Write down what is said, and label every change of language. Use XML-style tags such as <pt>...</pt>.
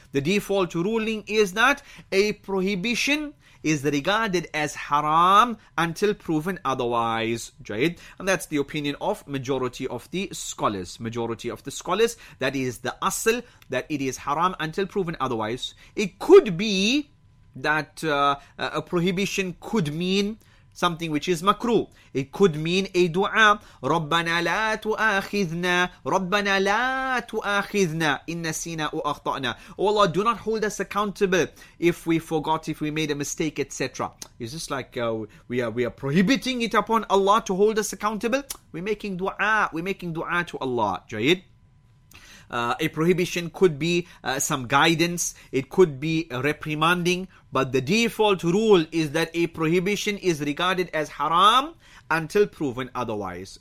<en>The default ruling is that a prohibition is regarded as haram until proven otherwise, Jayid. And that's the opinion of majority of the scholars, that is the asl, that it is haram until proven otherwise. It could be that a prohibition could mean something which is makruh. It could mean a dua,</en> <ar>رَبَّنَا لَا تُؤَاخِذْنَا, رَبَّنَا لَا تُؤَاخِذْنَا إِن نَسِينَا أُخْطَأْنَا.</ar> <en>Oh Allah, do not hold us accountable if we forgot, if we made a mistake, etc. Is this like we are prohibiting it upon Allah to hold us accountable? We're making dua to Allah, Jayid. A prohibition could be some guidance. It could be reprimanding. But the default rule is that a prohibition is regarded as haram until proven otherwise.</en>